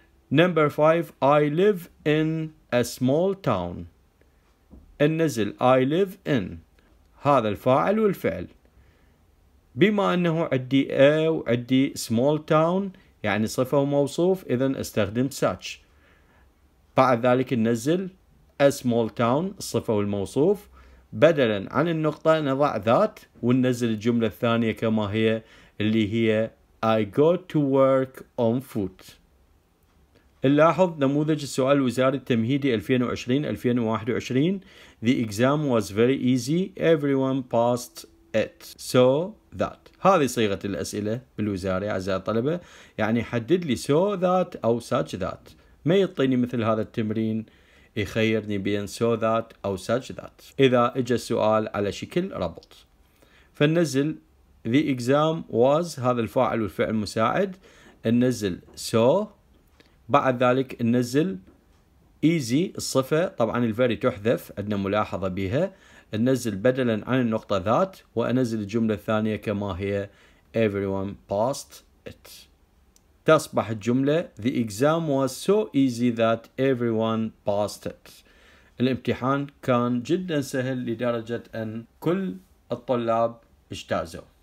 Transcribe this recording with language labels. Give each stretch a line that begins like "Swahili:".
English: Number five, I live in a small town.
Arabic: النزل I live in هذا الفاعل والفعل، بما أنه عدي A وعدي small town يعني صفة وموصوف إذا استخدم such. بعد ذلك ننزل A small town الصفة والموصوف بدلا عن النقطة نضع ذات، وننزل الجملة الثانية كما هي اللي هي
English: I go to work on foot.
Arabic: اللاحظ نموذج السؤال الوزاري التمهيدي
English: 2020-2021 The exam was very easy, everyone passed it, so that.
Arabic: هذه صيغة الأسئلة بالوزارة أعزائي الطلبة، يعني حدد لي so that أو such that، ما يعطيني مثل هذا التمرين يخيرني بين so that أو such that إذا إجا السؤال على شكل ربط. فننزل The exam was هذا الفاعل والفعل المساعد، ننزل so بعد ذلك ننزل easy الصفة طبعا الفري تحذف عندنا ملاحظة بها، ننزل بدلا عن النقطة ذات، وأنزل الجملة الثانية كما هي
English: everyone passed it.
Arabic: تصبح الجملة
English: the exam was so easy that everyone passed it.
Arabic: الامتحان كان جدا سهل لدرجة أن كل الطلاب اجتازوا.